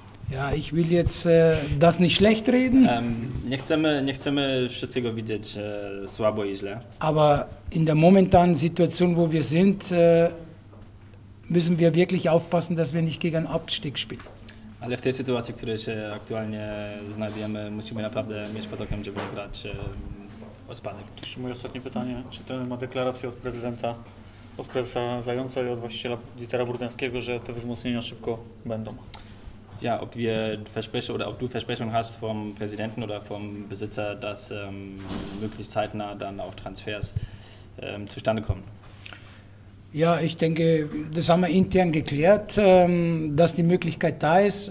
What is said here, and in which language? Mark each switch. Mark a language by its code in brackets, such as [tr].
[de] Ja, ich will jetzt das nicht schlecht reden. [pl] Nie chcemy wszystkiego widzieć słabo i źle. [de] Aber in der momentanen Situation, wo wir sind, müssen wir wirklich aufpassen, dass wir nicht gegen einen Abstieg spielen. [pl] Ale w tej sytuacji, w której się aktualnie znajdujemy, musimy naprawdę mieć pod okiem, żeby grać o spadek. Jeszcze moje ostatnie pytanie. Czy ten ma deklarację od prezydenta, od prezesa Zająca i od właściciela Dietera Burdenskiego, że te wzmocnienia szybko będą? [de] Ja, ob wir Versprechen oder ob du Versprechen hast vom Präsidenten oder vom Besitzer, dass möglichst zeitnah dann auch Transfers zustande kommen. Ja, ich denke, das haben wir intern geklärt, dass die Möglichkeit da ist.